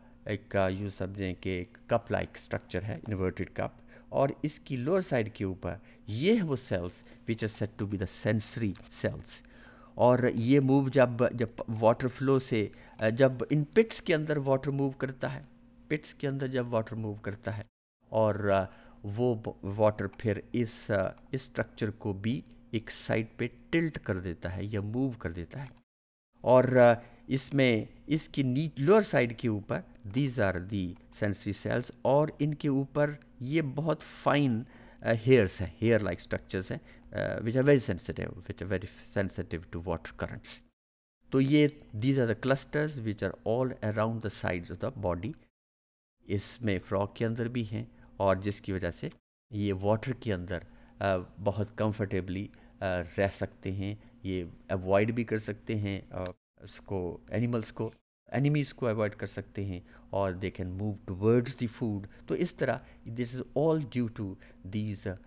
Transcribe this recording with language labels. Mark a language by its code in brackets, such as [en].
[ur] ایک یوں سمجھیں کہ ایک کپ لائک اسٹرکچر ہے انورٹڈ کپ اور اس کی لوور سائڈ کے اوپر یہ ہے وہ sales [en] which are set to be the sensory cells [ur] اور یہ موو جب واٹر فلو سے جب ان پٹس کے اندر واٹر موو کرتا ہے پٹس کے اندر جب واٹر موو کرتا ہے اور وہ واٹر پھر اس اسٹرکچر کو بھی ایک سائڈ پہ ٹلٹ کر دیتا ہے یا موو کر دیتا ہے اور اس میں اس کی نیچ لوور سائڈ کے اوپر [en] these are the sensory cells [ur] اور ان کے اوپر یہ بہت فائن ہیئرس ہیں ہیئر لائک اسٹرکچرس ہیں [en] which are very sensitive to water currents. So these are the clusters which are all around the sides of the body. [ur] اس میں frock کے اندر بھی ہیں اور جس کی وجہ سے یہ واٹر کے اندر بہت کمفرٹیبلی رہ سکتے ہیں یہ اوائڈ بھی کر سکتے ہیں اس کو اینیملس کو اینیمیز کو اوائڈ کر سکتے ہیں اور [en] they can move towards the food [ur] تو اس طرح [en] this is all due to these